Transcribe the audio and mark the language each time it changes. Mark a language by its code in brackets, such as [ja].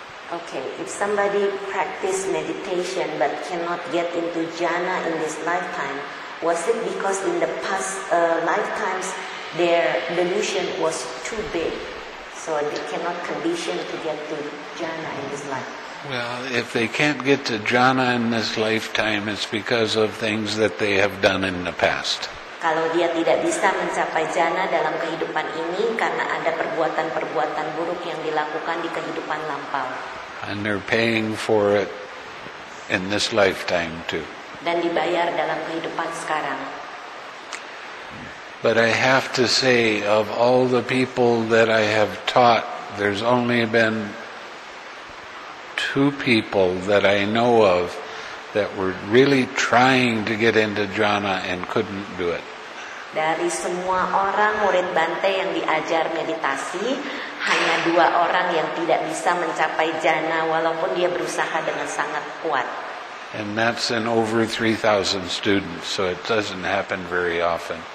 [en] Okay, if somebody practice meditation but cannot get into jhana in this lifetime, was it because in the past lifetimes their delusion was too big, so they cannot condition to get to jhana in this life? Well, if they can't get to jhana in this lifetime, it's because of things that they have done in the past. [id] Kalau dia tidak bisa mencapai jhana dalam kehidupan ini karena ada perbuatan-perbuatan buruk yang dilakukan di kehidupan lampau. [en] And they're paying for it in this lifetime too. [id] Dan dibayar dalam kehidupan sekarang. [en] But I have to say, of all the people that I have taught, there's only been two people that I know of that were really trying to get into jhana and couldn't do it. [id] Dari semua orang murid Bante yang diajar meditasi, hanya dua orang yang tidak bisa mencapai jhana walaupun dia berusaha dengan sangat kuat. [en] And that's in over 3,000 students, so it doesn't happen very often.